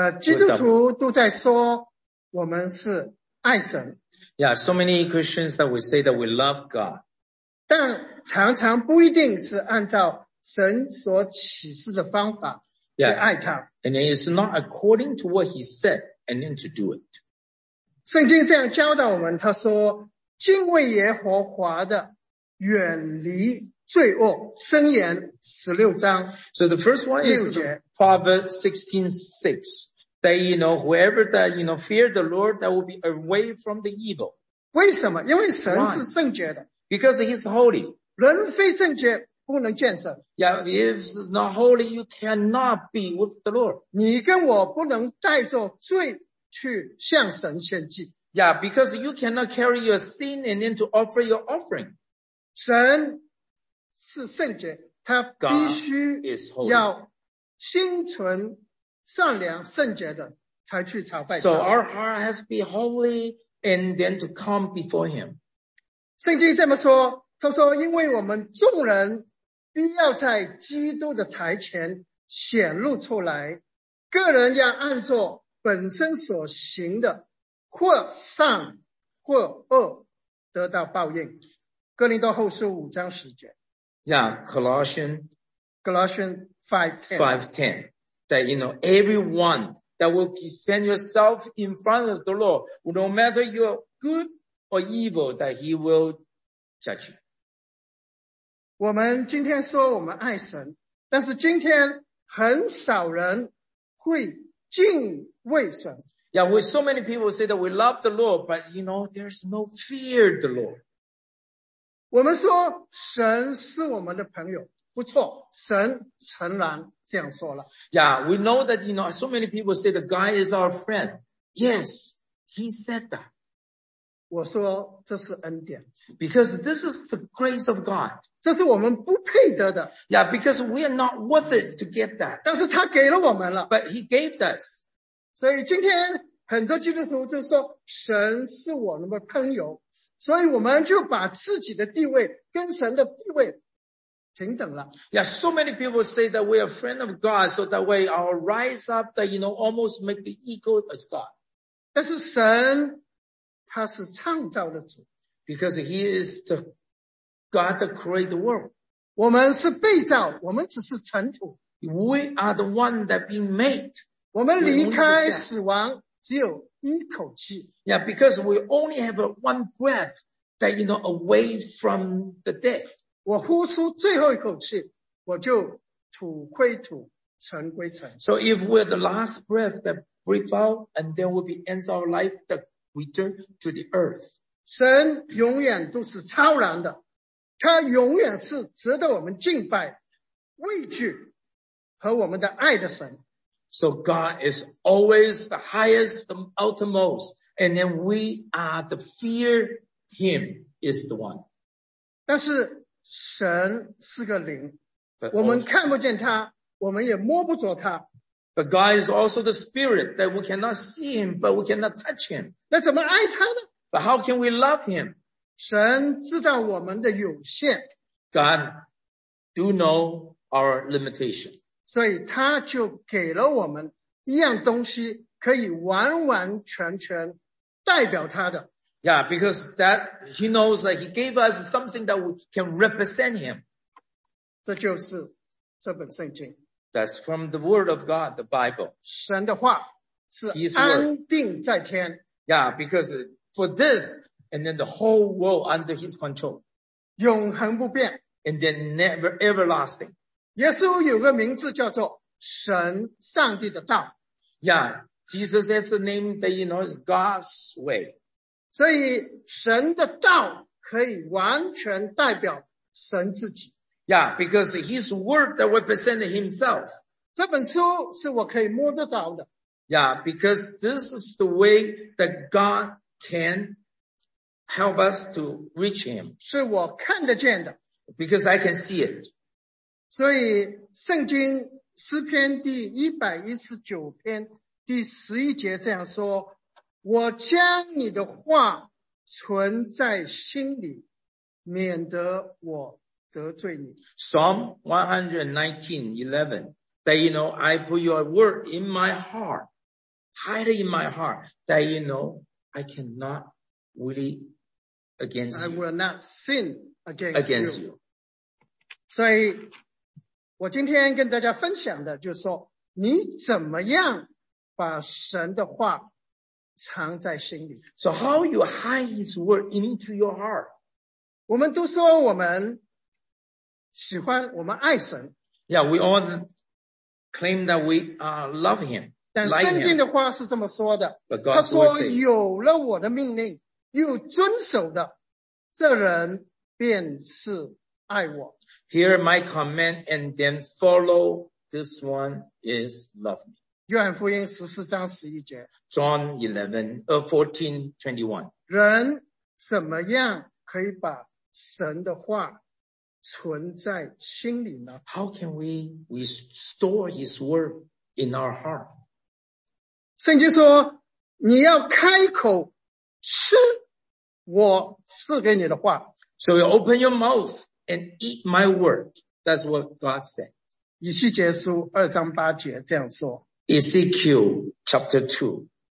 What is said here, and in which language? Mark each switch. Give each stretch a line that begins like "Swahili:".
Chinese: 基督徒都在说我们是爱神。
English: Yeah, so many Christians that we say that we love God.
Chinese: 但常常不一定是按照神所启示的方法去爱他。
English: Yeah. And it's not according to what He said and then to do it.
Chinese: 圣经这样教导我们，他说。敬畏耶和华的远离罪恶箴言16章
English: So the first one is Proverbs 16:6 that you know whoever that you know fear the Lord that will be away from the evil
Chinese: 为什么因为神是圣洁的
English: Because he's holy
Chinese: 人非圣洁不能见神
English: Yeah, if not holy you cannot be with the Lord
Chinese: 你跟我不能带着罪去向神献祭
English: Yeah, because you cannot carry your sin and then to offer your offering.
Chinese: 神是圣洁，他必须要心存善良圣洁的才去朝拜他。
English: So our heart has to be holy and then to come before him.
Chinese: 圣经这么说，他说因为我们众人必要在基督的台前显露出来，个人要按着本身所行的或善或恶得到报应。哥林多后书五章十节。
English: Yeah, Colossians. Colossians 5:10. That you know, everyone that will present yourself in front of the Lord, no matter you're good or evil, that he will judge you.
Chinese: 我们今天说我们爱神，但是今天很少人会敬畏神。
English: Yeah, we, so many people say that we love the Lord, but you know, there's no fear the Lord.
Chinese: 我们说神是我们的朋友，不错，神诚然这样说了。
English: Yeah, we know that, you know, so many people say that God is our friend. Yes, he said that.
Chinese: 我说这是恩典。
English: Because this is the grace of God.
Chinese: 这是我们不配得的。
English: Yeah, because we are not worth it to get that.
Chinese: 但是他给了我们了。
English: But he gave us.
Chinese: 所以今天很多基督徒就说神是我们的朋友，所以我们就把自己的地位跟神的地位平等了。
English: Yeah, so many people say that we are friend of God, so that way I'll rise up that, you know, almost make the equal as God.
Chinese: 但是神他是创造的主。
English: Because he is the God that created the world.
Chinese: 我们是被造，我们只是尘土。
English: We are the one that being made.
Chinese: 我们离开死亡只有一口气。
English: Yeah, because we only have one breath that, you know, away from the death.
Chinese: 我呼出最后一口气，我就土归土，尘归尘。
English: So if we're the last breath that breathe out, and then we'll be ends our life that we turn to the earth.
Chinese: 神永远都是超然的，他永远是值得我们敬拜、畏惧和我们的爱的神。
English: So God is always the highest, the outermost, and then we are the fear Him is the one.
Chinese: 但是神是个灵，我们看不见他，我们也摸不着他。
English: But God is also the spirit that we cannot see Him, but we cannot touch Him.
Chinese: 那怎么爱他呢？
English: But how can we love Him?
Chinese: 神知道我们的有限。
English: God do know our limitation.
Chinese: 所以他就给了我们一样东西可以完完全全代表他的。
English: Yeah, because that, he knows that he gave us something that we can represent him.
Chinese: 这就是这本圣经。
English: That's from the word of God, the Bible.
Chinese: 神的话是安定在天。
English: Yeah, because for this, and then the whole world under his control.
Chinese: 永恒不变。
English: And then never everlasting.
Chinese: 耶稣有个名字叫做神上帝的道。
English: Yeah, Jesus has the name that you know is God's way.
Chinese: 所以神的道可以完全代表神自己。
English: Yeah, because his word that represents himself.
Chinese: 这本书是我可以摸得到的。
English: Yeah, because this is the way that God can help us to reach him.
Chinese: 是我看得见的。
English: Because I can see it.
Chinese: 所以圣经诗篇第119篇第11节这样说，我将你的话存在心里，免得我得罪你。
English: Psalm 119:11, that you know, I put your word in my heart, hide it in my heart, that you know, I cannot really against you. I will not sin against you.
Chinese: 所以我今天跟大家分享的就是说，你怎么样把神的话藏在心里。
English: So how you hide his word into your heart?
Chinese: 我们都说我们喜欢，我们爱神。
English: Yeah, we all claim that we love him.
Chinese: 但圣经的话是这么说的。
English: But God
Chinese: 他说有了我的命令又遵守的，这人便是爱我。
English: Hear my command and then follow this one is love me.
Chinese: 约翰福音十四章十一节。
English: John 14:21.
Chinese: 人怎么样可以把神的话存在心里呢？
English: How can we store his word in our heart?
Chinese: 圣经说你要开口吃我赐给你的话。
English: So you open your mouth. And eat my word. That's what God said.
Chinese: 以西结书二章八节这样说。
English: Ezekiel chapter 2.